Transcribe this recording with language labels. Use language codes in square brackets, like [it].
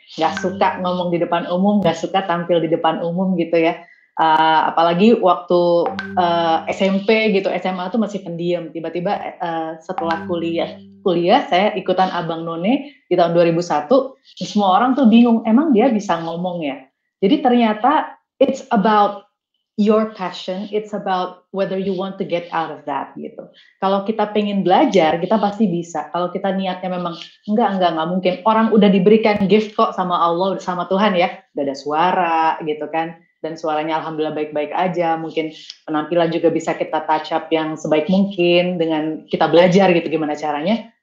[id] Nggak suka ngomong di depan umum, nggak suka tampil di depan umum gitu ya. Apalagi waktu SMP gitu, SMA tuh masih pendiam. Tiba-tiba setelah kuliah saya ikutan Abang None di tahun 2001, semua orang tuh bingung, emang dia bisa ngomong ya? Jadi ternyata [en] it's about your passion, it's about whether you want to get out of that gitu. [id] Kalau kita pengen belajar, kita pasti bisa. Kalau kita niatnya memang enggak mungkin. Orang udah diberikan gift kok sama Allah, sama Tuhan ya, udah ada suara gitu kan, dan suaranya alhamdulillah baik-baik aja, mungkin penampilan juga bisa kita touch up yang sebaik mungkin dengan kita belajar gitu gimana caranya.